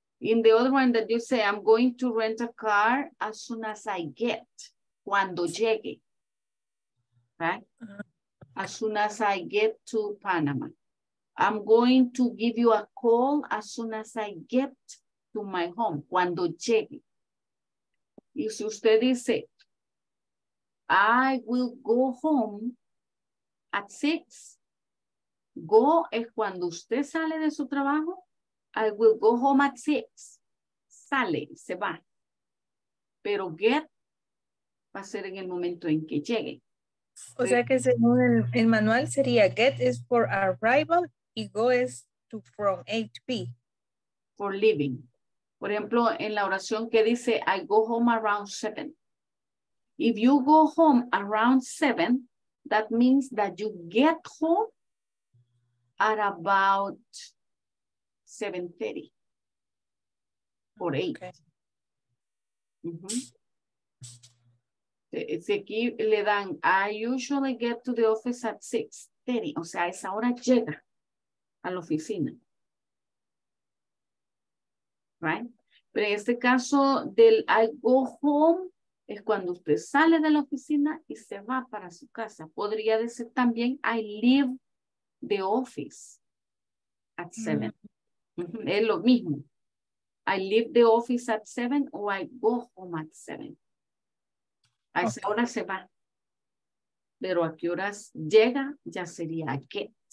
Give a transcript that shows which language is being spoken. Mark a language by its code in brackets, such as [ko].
[en] In the other one that you say, I'm going to rent a car as soon as I get, [es] cuando llegue, [en] right? As soon as I get to Panama. I'm going to give you a call as soon as I get to my home, [es] cuando llegue. Y si usted dice, [en] I will go home at 6, [es] go es cuando usted sale de su trabajo. [en] I will go home at 6. [es] Sale, se va. Pero get va a ser en el momento en que llegue. O sea que según el manual sería [en] get is for arrival y go is to from A to B. For leaving. [es] Por ejemplo, en la oración que dice [en] I go home around 7. If you go home around 7, that means that you get home at about 7:30 or 8. Okay. Mm-hmm. [es] Se aquí le dan, [en] I usually get to the office at 6:30. [es] O sea, a esa hora llega a la oficina. Right? Pero en este caso del [en] I go home [es] es cuando usted sale de la oficina y se va para su casa. Podría decir también [en] I leave the office at 7. [es] Mm-hmm. Es lo mismo. [en] I leave the office at 7 or I go home at 7. [es] A esa okay. hora se va. Pero a qué horas llega, ya sería a get.